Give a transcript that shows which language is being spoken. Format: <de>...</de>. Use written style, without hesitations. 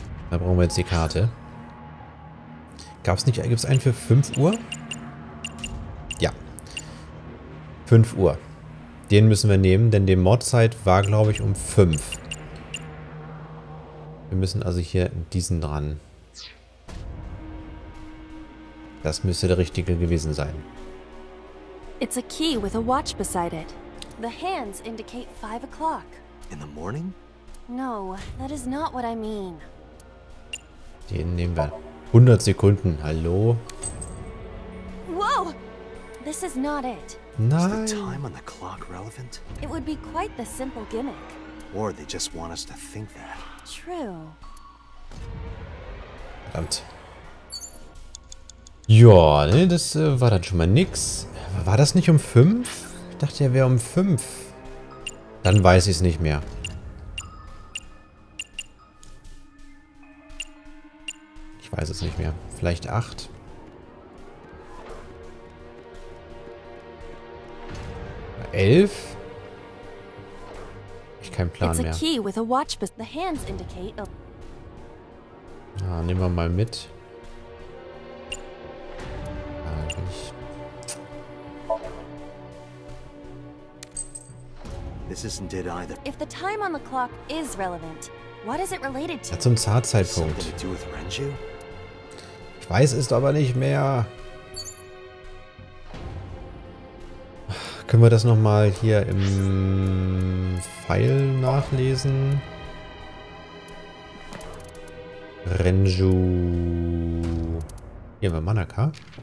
<de>Da brauchen wir jetzt die Karte. Gibt es einen für 5 Uhr? Ja. 5 Uhr. Den müssen wir nehmen, denn die Mordzeit war, glaube ich, um 5. Wir müssen also hier diesen dran. Das müsste der richtige gewesen sein.</de> <en>It's a key with a watch beside it. The hands indicate 5 o'clock. In the morning? No, that is not what I mean.</en> <de>Den nehmen wir. 100 Sekunden, hallo?</de> <en>Whoa! This is not it.</en> <de>Nein.</de> <en>Is the time on the clock relevant? It would be quite the simple gimmick. Or they just want us to think that. True.</en> <de>Verdammt. Ja, ne, das war dann schon mal nix. War das nicht um 5? Ich dachte, er wäre um 5. Dann weiß ich es nicht mehr. Ich weiß es nicht mehr. Vielleicht 8. Oder 11? Ich habe keinen Plan mehr.</de> <en>It's a key with a watch, but the hands indicate.</en> <de>Ja, nehmen wir mal mit.</de> <en>This isn't it either. If the time on the clock is relevant, what is it related to?</en> <de>Ja, zum Zartzeitpunkt. Ich weiß es aber nicht mehr. Können wir das nochmal hier im File nachlesen? Renju. Hier haben wir Manaka.</de>